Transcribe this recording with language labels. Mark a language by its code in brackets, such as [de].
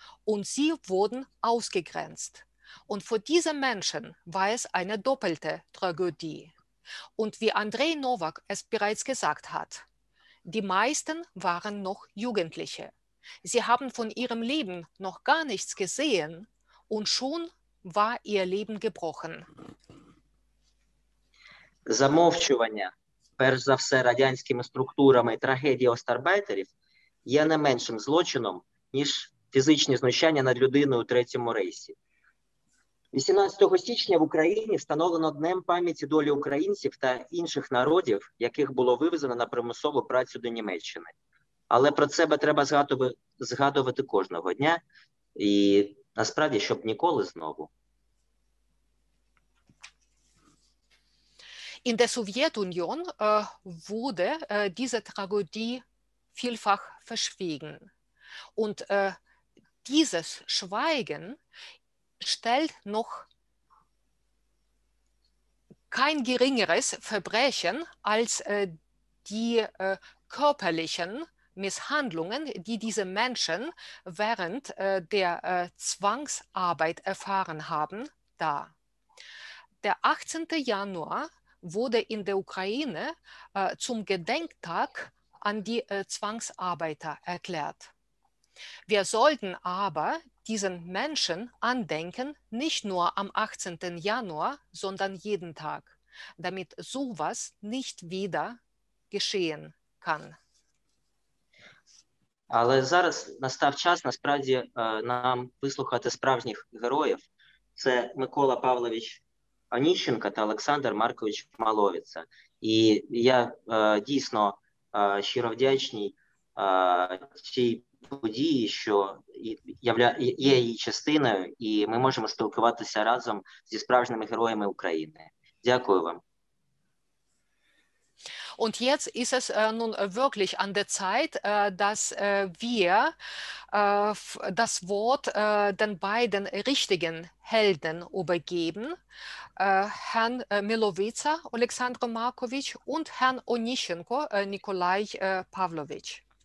[de] Und sie wurden ausgegrenzt. Und für diese Menschen war es eine doppelte Tragödie. Und wie Andrei Novak es bereits gesagt hat, die meisten waren noch Jugendliche. Sie haben von ihrem Leben noch gar nichts gesehen und schon war ihr Leben gebrochen. [uk] Замовчування, перш за все, радянськими структурами трагедії остарбайтерів є не меншим злочином, ніж фізичні знущання над людиною у Третьому рейсі. 18 січня в Україні встановлено Днем пам'яті долі українців та інших народів, яких було вивезено на примусову працю до Німеччини. Але про це треба згадувати кожного дня і, насправді, щоб ніколи знову. [de] In der Sowjetunion wurde diese Tragödie vielfach verschwiegen. Und dieses Schweigen stellt noch kein geringeres Verbrechen als die körperlichen Misshandlungen, die diese Menschen während der Zwangsarbeit erfahren haben, dar. Der 18. Januar wurde in der Ukraine zum Gedenktag an die Zwangsarbeiter erklärt. Wir sollten aber diesen Menschen andenken, nicht nur am 18. Januar, sondern jeden Tag, damit sowas nicht wieder geschehen kann. [uk] Але зараз настав час, насправді, нам вислухати справжніх героїв. Це Микола Павлович Оніщенка та Олександр Маркович Маловіця. І я дійсно щиро вдячний цій події, що є її частиною, і ми можемо спілкуватися разом зі справжніми героями України. Дякую вам. [de] Und jetzt ist es nun wirklich an der Zeit, dass wir das Wort den beiden richtigen Helden übergeben, Herrn Milowica Alexandr Markovic und Herrn Onischenko Nikolai Pavlovic.